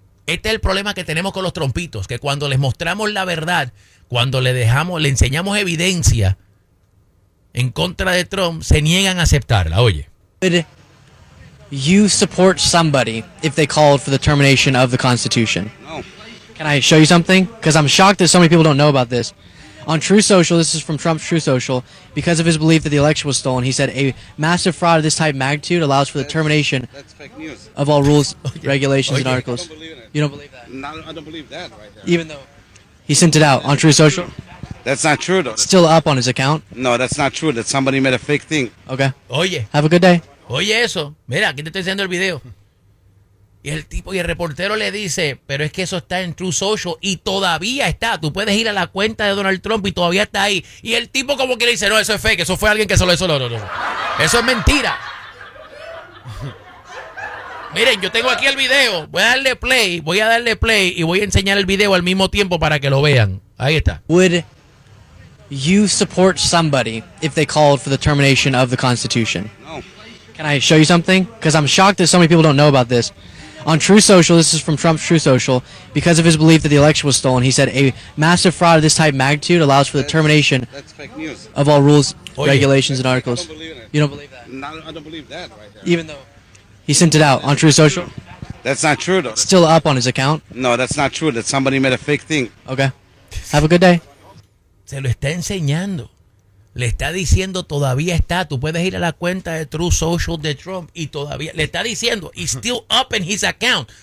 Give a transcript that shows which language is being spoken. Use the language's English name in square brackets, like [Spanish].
[Spanish] Este es el problema que tenemos con los trompitos, que cuando les mostramos la verdad, cuando le dejamos, le enseñamos evidencia en contra de Trump, se niegan a aceptarla. Oye. [English] You support somebody if they called for the termination of the Constitution. No. Can I show you something? Because I'm shocked that so many people don't know about this. On True Social, this is from Trump's True Social, because of his belief that the election was stolen, he said a massive fraud of this type of magnitude allows for the termination of all rules, okay. regulations, okay. and articles. I don't believe in it. You don't believe that? No, I don't believe that right there. Even though he sent it out on True Social? That's not true, though. Still up on his account? No, that's not true. That somebody made a fake thing. Okay. [Spanish] Oye. [English] Have a good day. [Spanish] Oye eso. Mira, aquí te estoy haciendo el video. Y el tipo y el reportero le dice, pero es que eso está en True Social y todavía está. Tú puedes ir a la cuenta de Donald Trump y todavía está ahí. Y el tipo como que le dice, no, eso es fake, eso fue alguien que se lo hizo. No. Eso es mentira. Miren, yo tengo aquí el video. Voy a darle play y voy a enseñar el video al mismo tiempo para que lo vean. Ahí está. [English] Would you support somebody if they called for the termination of the Constitution? No. Can I show you something? Because I'm shocked that so many people don't know about this. On True Social, this is from Trump's True Social, because of his belief that the election was stolen, he said a massive fraud of this type of magnitude allows for the termination of all rules, [Spanish] Oye, [English] regulations, and articles. I don't believe in it. You don't believe that? No, I don't believe that right there. Even though he sent it out on True Social? That's not true, though. Still up on his account? No, that's not true. That somebody made a fake thing. Okay. Have a good day. [Spanish] Se lo está enseñando. Le está diciendo, todavía está. Tú puedes ir a la cuenta de True Social de Trump y todavía... Le está diciendo, [English] he's still up in his account.